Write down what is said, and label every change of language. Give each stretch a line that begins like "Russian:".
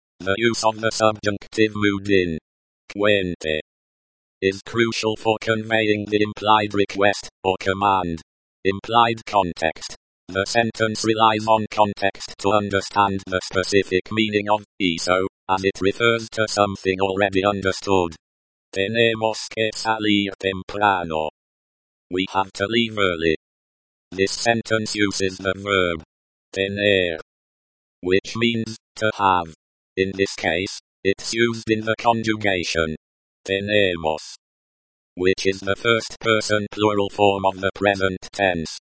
English: The use of the subjunctive mood in cuente is crucial for conveying the implied request or command. Implied context. The sentence relies on context to understand the specific meaning of eso, as it refers to something already understood.
Spanish: Tenemos que salir temprano.
English: We have to leave early. This sentence uses the verb tener, which means to have. In this case, it's used in the conjugation tenemos, which is the first person plural form of the present tense.